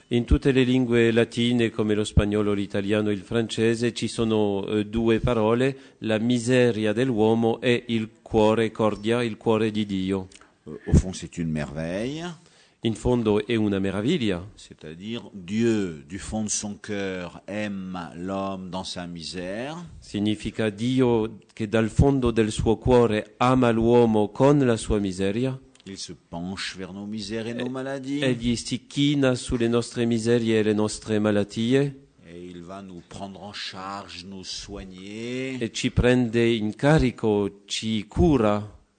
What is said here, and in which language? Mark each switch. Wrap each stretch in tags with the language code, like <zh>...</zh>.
<it>In tutte le lingue latine, come lo spagnolo, l'italiano, il francese, ci sono due parole, la miseria dell'uomo e il cuore, cordia, il cuore di Dio.</it> <fr>Au fond, c'est une merveille.</fr> <it>In fondo, è una meraviglia.</it> <fr>C'est-à-dire, Dieu, du fond de son cœur, aime l'homme dans sa misère.</fr> <it>Significa Dio che dal fondo del suo cuore ama l'uomo con la sua miseria.</it> <fr>Il se penche vers nos misères et nos maladies.</fr> <it>Egli si china sulle nostre miserie e le nostre malattie.</it> <fr>Et il va nous prendre en charge, nous soigner.</fr> <it>E ci prende in carico, ci cura.</it>